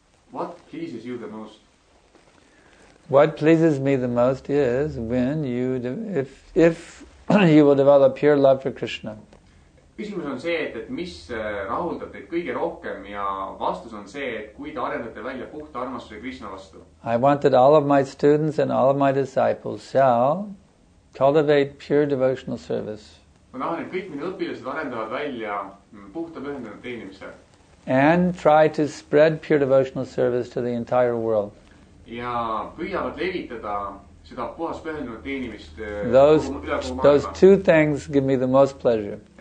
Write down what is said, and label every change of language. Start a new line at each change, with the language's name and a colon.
English: What pleases you the most? What pleases me the most is when you, if you will develop pure love for Krishna.
Estonian: Küsimus on see, et mis rahuldab teid kõige rohkem ja vastus on see, et kui te arendate välja puhta armastuse Krishna vastu.
English: I want that all of my students and all of my disciples shall cultivate pure devotional service.
Estonian: Ma tahan, et kõik minu õpilased arendavad välja puhta pühendunud teenimise.
English: And try to spread pure devotional service to the entire world.
Estonian: Ja püüavad levitada seda puhas pühendunud teenimist.
English: Those two things give me the most pleasure.